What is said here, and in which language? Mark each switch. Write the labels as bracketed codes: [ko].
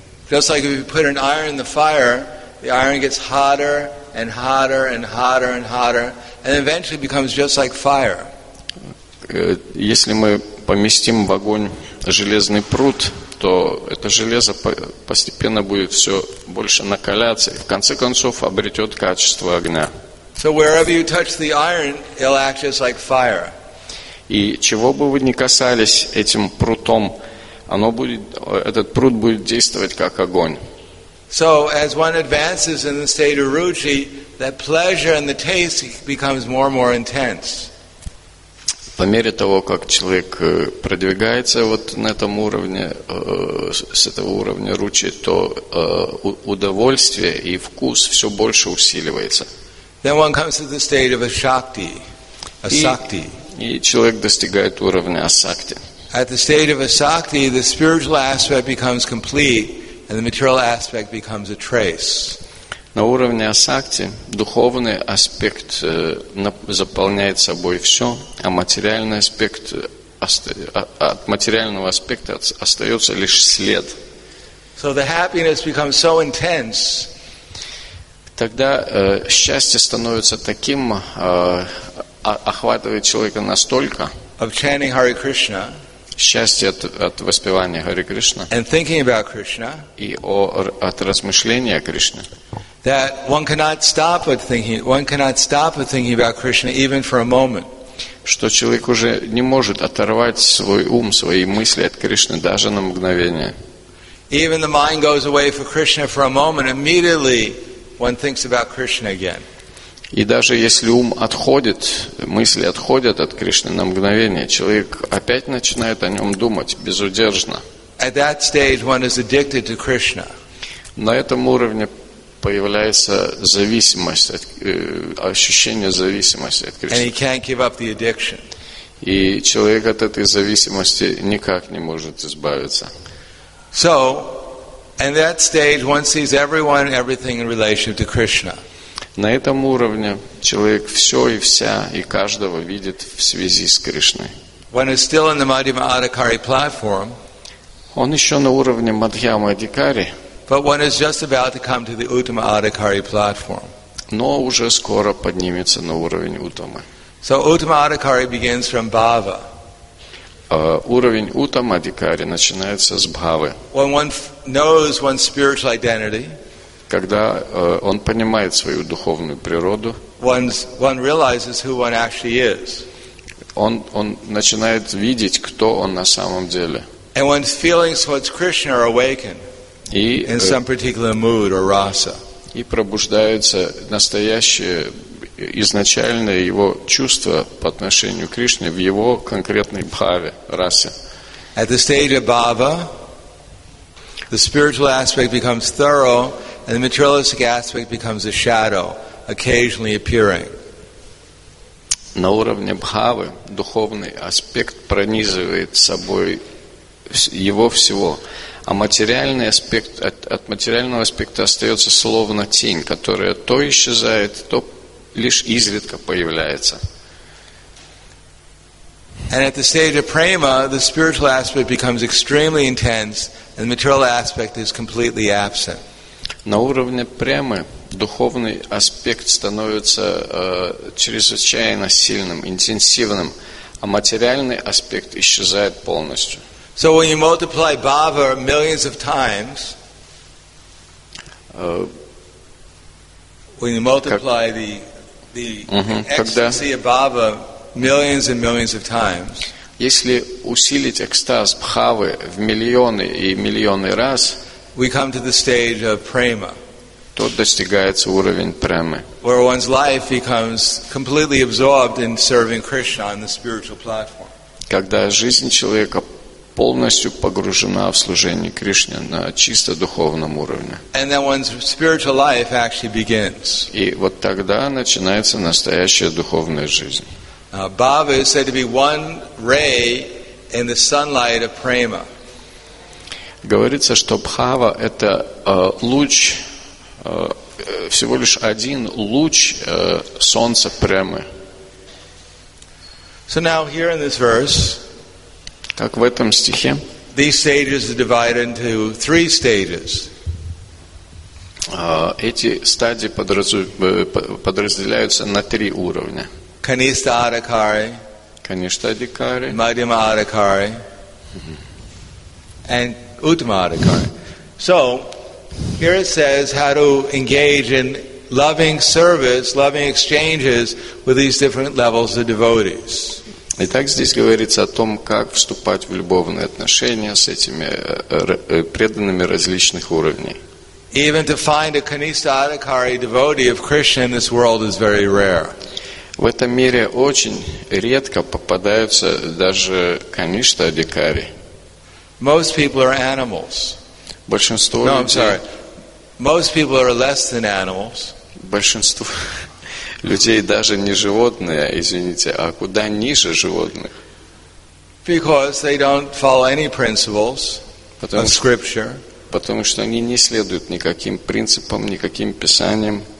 [en] Just like if you put an iron in the fire, the iron gets hotter and hotter and hotter and hotter, and eventually becomes just like fire. [ru] Если мы поместим в огонь железный пруд, то это железо постепенно будет все больше накаляться и в конце концов обретет качество огня. [en] So wherever you touch the iron, it'll act just like fire. [ru] И чего бы вы ни касались этим прутом, оно будет, этот прут будет действовать как огонь. [en] So as one advances in the state of Ruchi, that pleasure and the taste becomes more and more intense. [ru] По мере того, как человек продвигается вот на этом уровне, с этого уровня ручи, то удовольствие и вкус все больше усиливается. [en] Then one comes to the state of a shakti, a sakti. [ru] И человек достигает уровня асакти. [en] At the state of a sakti, the spiritual aspect becomes complete, and the material aspect becomes a trace. [ru] На уровне асакти духовный аспект заполняет собой все, а материальный аспект от материального аспекта остается лишь след. [en] So the happiness becomes so intense. [ru] Тогда счастье становится таким, охватывает человека настолько. [en] Of chanting Hare Krishna. [ru] Счастье от воспевания Hare Krishna. [en] And thinking about Krishna. [ru] И от размышления о Кришне. [en] That one cannot stop at thinking. One cannot stop at thinking about Krishna even for a moment. [ru] Что человек уже не может оторвать свой ум, свои мысли от Кришны даже на мгновение. [en] Even the mind goes away for Krishna for a moment. Immediately, one thinks about Krishna again. [ru] И даже если ум отходит, мысли отходят от Кришны на мгновение, человек опять начинает о нем думать безудержно. [en] At that stage, one is addicted to Krishna. [ru] На этом уровне появляется зависимость, ощущение зависимости от Кришны. [en] And he can't give up the addiction. [ru] И человек от этой зависимости никак не может избавиться. [en] So, in that stage, one sees everyone and everything in relation to Krishna. [ru] На этом уровне человек все и вся и каждого видит в связи с Кришной. [en] One is still in the Madhyama Adhikari platform. [ru] Он еще на уровне Мадхьяма Адхикари. [en] But one is just about to come to the Uttama Adhikari platform. [ru] Но уже скоро поднимется на уровень Уттамы. [en] So Uttama Adhikari begins from Bhava. [ru] Уровень Уттама Адхикари начинается с Бхавы. [en] When one knows one's spiritual identity, [ru] когда он понимает свою духовную природу, [en] one realizes who one actually is. [ru] Он начинает видеть, кто он на самом деле. [en] And one's feelings towards Krishna are awakened. In some particular mood or rasa. [ru] И пробуждается настоящее изначальное его чувство по отношению к Кришне в его конкретной бхаве, расе. [en] At the stage of bhava, the spiritual aspect becomes thorough, and the materialistic aspect becomes a shadow, occasionally appearing. [ru] На уровне бхавы духовный аспект пронизывает собой его всего. А материальный аспект, от материального аспекта остается словно тень, которая то исчезает, то лишь изредка появляется. [en] And at the stage of prema, the spiritual aspect becomes extremely intense, and the material aspect is completely absent. [ru] На уровне премы духовный аспект становится чрезвычайно сильным, интенсивным, а материальный аспект исчезает полностью. [en] So when you multiply bhava millions of times, when you multiply ecstasy of bhava millions and millions of times, [ru] если усилить экстаз бхавы в миллионы и миллионы раз, [en] we come to the stage of prema. [ru] То достигается уровень премы. [en] Where one's life becomes completely absorbed in serving Krishna on the spiritual platform. [ru] Когда жизнь человека полностью погружена в служение Кришне на чисто духовном уровне. [en] And then one's spiritual life actually begins. [ru] И вот тогда начинается настоящая духовная жизнь. [en] Bhava is said to be one ray in the sunlight of prema. [ru] Говорится, что бхава — это луч всего лишь один луч солнца прямо. [en] So now here in this verse, [ru] как в этом стихе, [en] these stages are divided into three stages. [ru] Эти стадии подразделяются на три уровня. Каништа Адикари, Каништа Адикари, Мадхьяма Адикари, [en] and [ru] Уттама Адикари. [en] So, here it says how to engage in loving service, loving exchanges with these different levels of devotees. [ru] Итак, здесь говорится о том, как вступать в любовные отношения с этими преданными различных уровней. [en] Even to find a Kanista Adhikari devotee of Krishna in this world is very rare. [ru] В этом мире очень редко попадаются даже Kanista Adhikari. [en] Most people are animals. [ru] Большинство людей... [en] No, I'm sorry. Most people are less than animals. [ru] Большинство людей даже не животные, извините, а куда ниже животных. [en] Because they don't follow any principles of scripture. [ru] Потому что они не следуют никаким принципам, никаким писаниям.